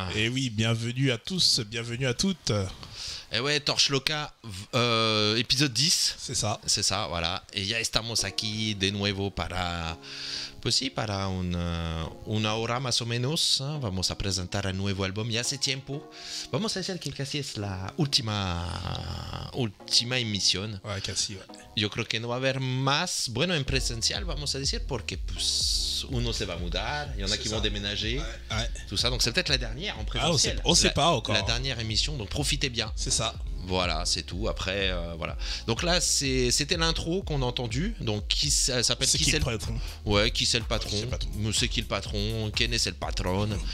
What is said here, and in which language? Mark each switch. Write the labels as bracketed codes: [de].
[fr] Et oui, bienvenue à tous, bienvenue à toutes. Et ouais, Torche Loca, épisode 10. C'est ça. C'est ça, voilà. [es] Et ya estamos aquí de nuevo para. Pues sí, para una hora más o menos. Vamos a presentar un nuevo álbum. Ya hace tiempo. Vamos a decir que casi es la última emisión. [fr] Ouais, casi, ouais. [es] Yo creo que no va a haber más. Bueno, en presencial, vamos a decir, porque pues, uno se va a mudar. [fr] Il y en a qui vont déménager. Ouais. Tout ça. Donc c'est peut-être la dernière en présentiel. Ah, on sait pas encore. La dernière émission. Donc profitez bien. C'est ça. Voilà, c'est tout. Après, voilà. Donc là, c'était l'intro qu'on a entendu. Donc qui s'appelle c'est qui c'est le patron. Ouais, qui c'est le patron. C'est qui le patron? Ken est le patron.